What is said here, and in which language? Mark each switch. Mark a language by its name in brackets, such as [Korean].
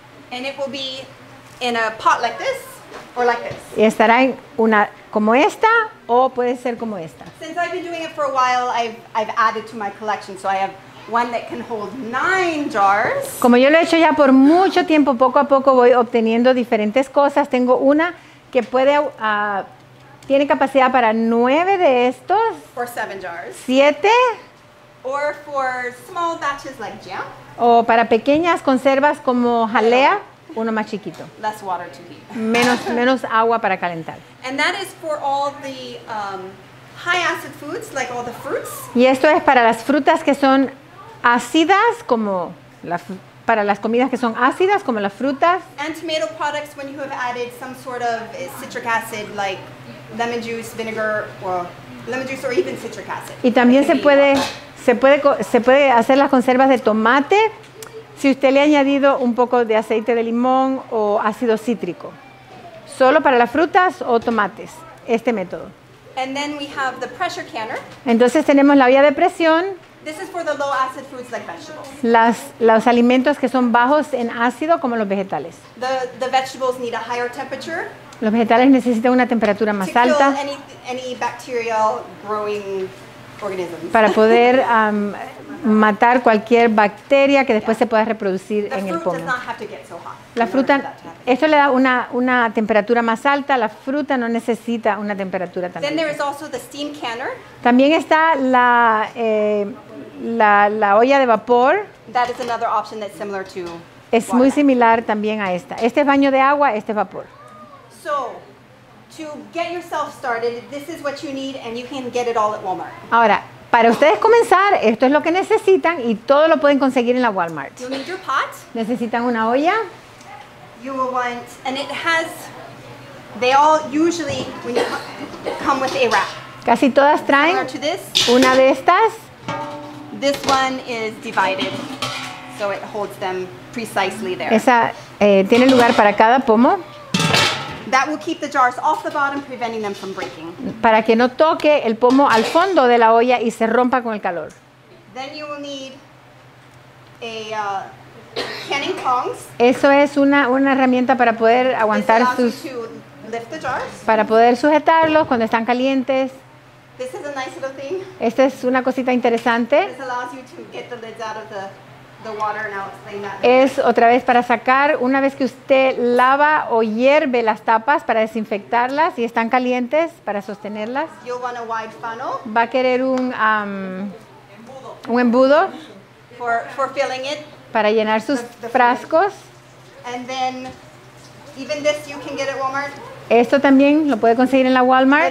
[English] And it will be in a pot like this or like this. [Spanish] Y estará en una como esta o puede ser como esta. [English] Since I've been doing it for a while, I've added to my collection, so I have one that can hold 9 jars. [Spanish] Como yo lo he hecho ya por mucho tiempo, poco a poco voy obteniendo diferentes cosas. Tengo una que puede tiene capacidad para 9 de estos. [English] For 7 jars. 7. Or for small batches like jam. [Spanish] O para pequeñas conservas como jalea, uno más chiquito. [English] Less water to heat. [Spanish] Menos agua para calentar. [English] And that is for all the high acid foods, like all the fruits. [Spanish] Y esto es para las frutas que son ácidas, como para las comidas que son ácidas, como las frutas. [English] And tomato products when you have added some sort of citric acid, like lemon juice, vinegar, or lemon juice, or even citric acid. [Spanish] Y también se puede hacer las conservas de tomate si usted le ha añadido un poco de aceite de limón o ácido cítrico. Solo para las frutas o tomates, este método. [English] And then we have the pressure canner. [Spanish] Entonces tenemos la olla de presión. [English] This is for the low acid foods like vegetables. [Spanish] Los alimentos que son bajos en ácido como los vegetales. [English] The vegetables need a higher temperature. [Spanish] Los vegetales necesitan una temperatura más alta. [English] To kill any bacterial growing organisms. [Spanish] Para poder matar cualquier bacteria que después se pueda reproducir en el pomo. La fruta, esto le da una temperatura más alta, la fruta no necesita una temperatura tan alta. [English] Then there is also the steam canner. [Spanish] También está la olla de vapor. [English] That is another option that's similar to water. [Spanish] Es muy similar también a esta. Este es baño de agua, este es vapor. [English] So, to get yourself started, this is what you need and you can get it all at Walmart. [Spanish] Ahora, para ustedes comenzar, esto es lo que necesitan y todo lo pueden conseguir en la Walmart. [English] You need your pot. [Spanish] Necesitan una olla. [English] You will want, and it has, they all usually when you come with a wrap. [Spanish] Casi todas traen una de estas. [English] This one is divided, so it holds them precisely there. [Spanish] Esa tiene lugar para cada pomo. [English] That will keep the jars off the bottom, preventing them from breaking. [Spanish] Para que no toque el pomo al fondo de la olla y se rompa con el calor. [English] Then you will need a canning tongs. [Spanish] Eso es una herramienta para poder aguantar sus. [English] This allows you to lift the jars. [Spanish] Para poder sujetarlos cuando están calientes. [English] This is a nice little thing. [Spanish] Esta es una cosita interesante. [English] This allows you to get the lids out of the water, and I'll explain that. [Spanish] Es otra vez para sacar, una vez que usted lava o hierve las tapas para desinfectarlas y están calientes para sostenerlas. [English] You'll want a wide funnel. [Spanish] Va a querer un embudo [English] for filling it, [Spanish] para llenar sus frascos. [English] And then, even this you can get at Walmart. [Spanish] Esto también lo puede conseguir en la Walmart.